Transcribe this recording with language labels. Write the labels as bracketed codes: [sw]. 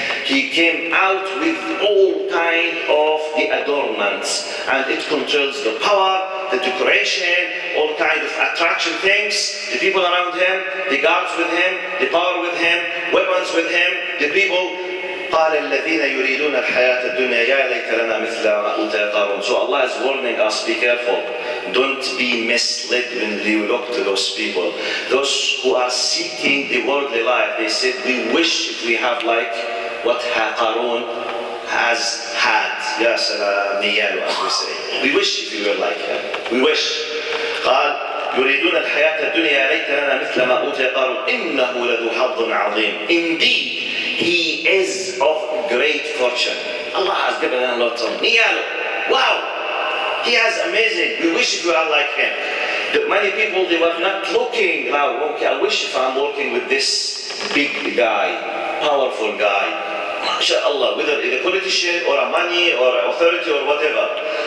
[en] He came out with all kind of the adornments, and it controls the power, the decoration, all kind of attraction things. The people around him, the guards with him, the power with him, weapons with him, the people. [ar] قال الذين يريدون الحياة الدنيا يا ليت لنا مثل ما أوتى قارون. [en] So Allah is warning us, be careful. Don't be misled when you look to those people. Those who are seeking the worldly life, they said, we wish if we have like what Qarun has had. Ya salam, niyalu, as we say. We wish if we were like him. We wish. [ar] قال يريدون الحياة الدنيا يا ليت لنا مثل ما أوتى قارون إنه لذو حظ عظيم. [en] Indeed, he is of great fortune. Allah has given him a lot of niyalu. Wow! He has amazing. We wish we are like him. The many people, they were not looking. Wow, okay, I wish if I'm working with this big guy, powerful guy, mashallah, whether a politician or a money or authority or whatever.